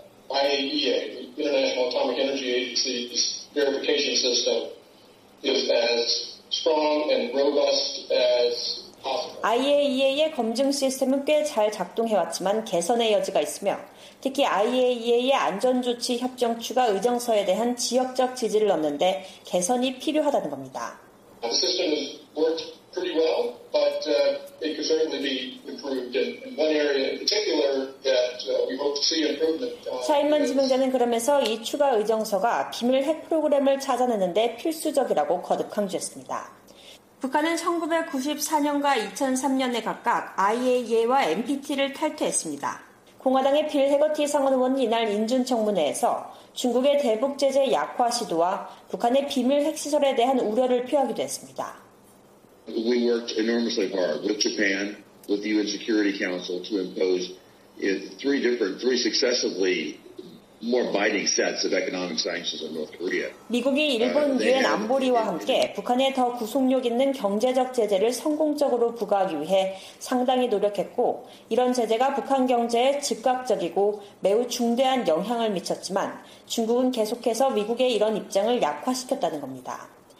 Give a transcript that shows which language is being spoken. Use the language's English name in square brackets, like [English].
[English] IAEA, the International Atomic Energy Agency's verification system, is as strong and robust as possible. [Korean] IAEA의 검증 시스템은 꽤 잘 작동해왔지만 개선의 여지가 있으며 특히 IAEA의 안전조치 협정 추가 의정서에 대한 지역적 지지를 얻는 데 개선이 필요하다는 겁니다. [English] The system has worked pretty well, but it could certainly be improved in one area in particular that we hope to see improvement. [Korean] 샤인만 지명자는 그러면서 이 추가 의정서가 비밀 핵 프로그램을 찾아내는 데 필수적이라고 거듭 강조했습니다. 북한은 1994년과 2003년에 각각 IAEA와 NPT를 탈퇴했습니다. 공화당의 빌 해거티 상원 의원은 이날 인준청문회에서 중국의 대북 제재 약화 시도와 북한의 비밀 핵시설에 대한 우려를 표하기도 했습니다. [English] We worked enormously hard with Japan, with the UN Security Council to impose three successively more biting sets of economic sanctions on North Korea. [Korean] 미국이 일본 유엔 안보리와 함께 북한에 더 구속력 있는 경제적 제재를 성공적으로 부과하기 위해 상당히 노력했고 이런 제재가 북한 경제에 즉각적이고 매우 중대한 영향을 미쳤지만 중국은 계속해서 미국의 이런 입장을 약화시켰다는 겁니다.